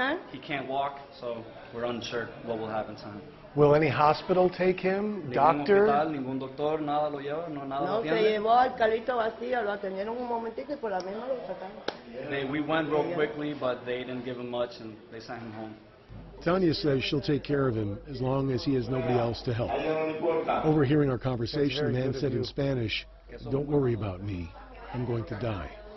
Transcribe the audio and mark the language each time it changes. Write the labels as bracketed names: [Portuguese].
[English] He can't walk, so we're unsure what will happen to him. Will any hospital take him? Doctor? [Spanish] Ningún doctor, nada lo lleva, no nada. No, se llevó al carrito vacío, lo atendieron un momentico y por la misma lo sacaron. [English] We went real quickly, but they didn't give him much and they sent him home. Tanya says she'll take care of him as long as he has nobody else to help. Overhearing our conversation, the man said in Spanish, "Don't worry about me. I'm going to die."